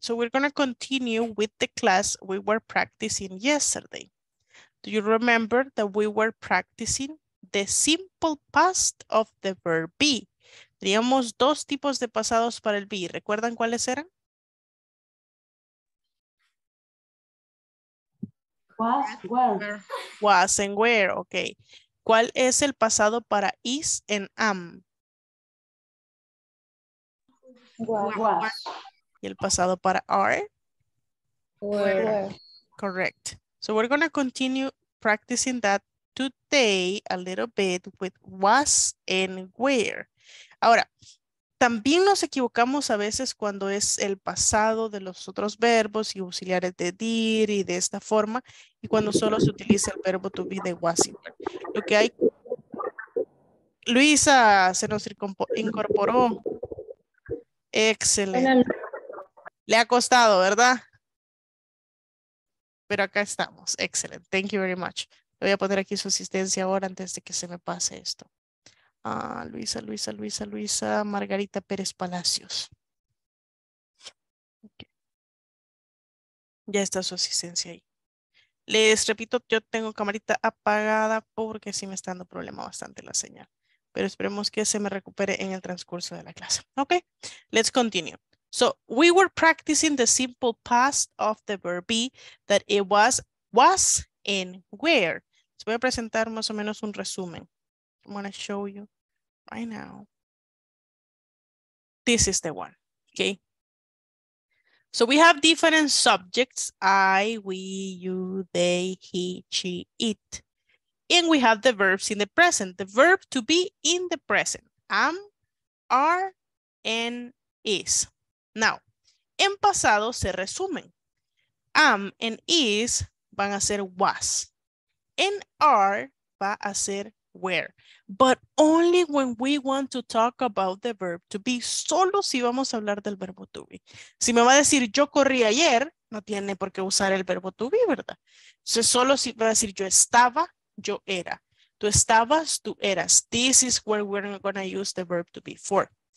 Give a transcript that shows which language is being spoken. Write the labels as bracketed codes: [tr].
[en] So we're going to continue with the class we were practicing yesterday. Do you remember that we were practicing the simple past of the verb be? [es] Teníamos dos tipos de pasados para el be. ¿Recuerdan cuáles eran? [en] Was, were. Was and were, ok. [es] ¿Cuál es el pasado para is and am? [en] Was. [es] Y el pasado para are. [en] Were. Correct. So we're going to continue practicing that today a little bit with was and were. [es] Ahora, también nos equivocamos a veces cuando es el pasado de los otros verbos y auxiliares de did y de esta forma, y cuando solo se utiliza el verbo to be de was y were. Lo que hay. Luisa se nos incorporó. Excelente. Le ha costado, ¿verdad? Pero acá estamos. Excelente. [en] Thank you very much. [es] Le voy a poner aquí su asistencia ahora antes de que se me pase esto. Ah, Luisa, Luisa, Luisa, Luisa, Margarita Pérez Palacios. Okay. Ya está su asistencia ahí. Les repito, yo tengo camarita apagada porque sí me está dando problema bastante la señal. Pero esperemos que se me recupere en el transcurso de la clase. [en] Ok, let's continue. So, we were practicing the simple past of the verb be, that it was and were. [es] Les voy a presentar más o menos un resumen. [en] I'm going to show you right now. This is the one, ok. So, we have different subjects. I, we, you, they, he, she, it. And we have the verbs in the present. The verb to be in the present. Am, are, and is. [es] Now, en pasado se resumen. Am and is van a ser was. And are va a ser were. [en] But only when we want to talk about the verb to be. [es] Solo si vamos a hablar del verbo to be. Si me va a decir yo corrí ayer, no tiene por qué usar el verbo to be, ¿verdad? Entonces, solo si va a decir yo estaba. Yo era. Tú estabas, tú eras. [en] This is where we're going to use the verb to be for.